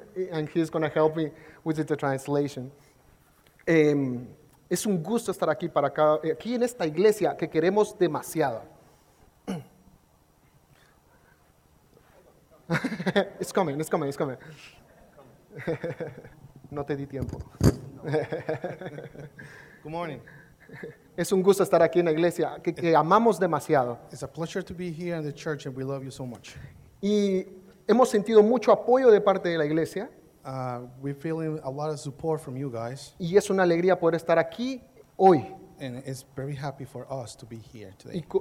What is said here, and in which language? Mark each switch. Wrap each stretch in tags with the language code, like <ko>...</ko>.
<en>And he's going to help me with the translation.</en> <es>Es un gusto estar aquí en esta iglesia que queremos demasiado.</es> <en>It's coming.</en> <es>No te di tiempo.</es> <en>Good morning.</en> <es>Es un gusto estar aquí en la iglesia que amamos demasiado.</es> <en>It's a pleasure to be here in the church and we love you so much.</en> <es>Y hemos sentido mucho apoyo de parte de la iglesia.</es> <en>We're feeling a lot of support from you guys.</en> <es>Y es una alegría poder estar aquí hoy.</es> <en>And it's very happy for us to be here today.</en>